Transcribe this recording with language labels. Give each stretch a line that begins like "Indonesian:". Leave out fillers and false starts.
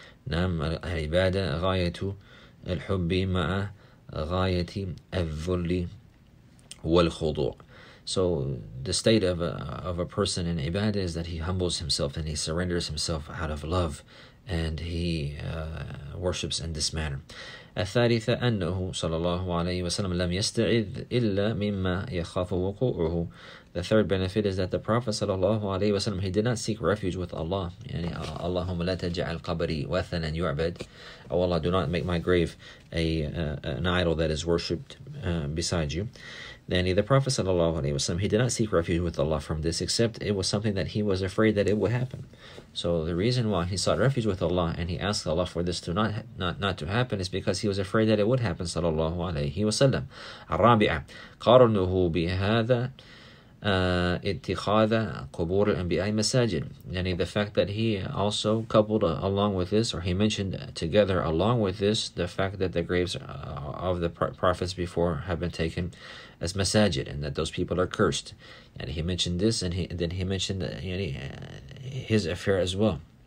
Arabic: Nam ibadah ghayatu al-hubbi ma'a ghayati al-dhulli wal-khudu'.
English: So the state of a person in ibadah is that he humbles himself and he surrenders himself out of love, and he worships in this manner.
Arabic: الثالثة أنه صلى الله عليه وسلم لم يستعذ إلا مما يخاف وقوعه.
English: The third benefit is that the Prophet صلى الله عليه وسلم, he did not seek refuge with Allah.
Arabic: يعني اللهم لا تجعل قبري وثنا يعبد.
English: Oh Allah, do not make my grave an idol that is worshipped beside you. Then the Prophet sallallahu alaihi wasallam, he did not seek refuge with Allah from this, except it was something that he was afraid that it would happen. So the reason why he sought refuge with Allah and he asked Allah for this to not to happen is because he was afraid that it would happen, sallallahu alaihi wasallam.
Arabic: الرابعة قارنه بهذا اتخاذ قبور الأنبياء مساجد.
English: يعني the fact that he also coupled along with this, or he mentioned together along with this, the fact that the graves of the prophets before have been taken as masajid, and that those people are cursed. And he mentioned this, and then he mentioned his affair as well.